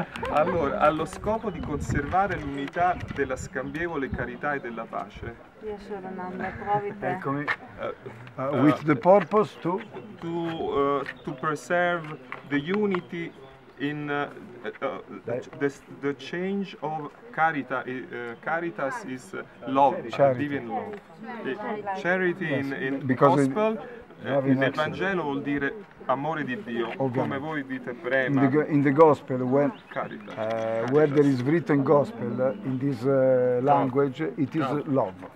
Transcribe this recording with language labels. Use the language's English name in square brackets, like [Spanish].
[Italian] Allora, allo scopo di conservare l'unità della scambievole carità e della pace. [English] Yes, [Italian] Ramanda, provi te. Eccomi. [English] With the purpose to? To preserve the unity in the change of carita, caritas is love, charity. Divine love. Charity in gospel. [Italian] In Evangelo vuol dire amore di Dio, come voi dite prima. [English] In the Gospel, where there is written Gospel in this language, it is love.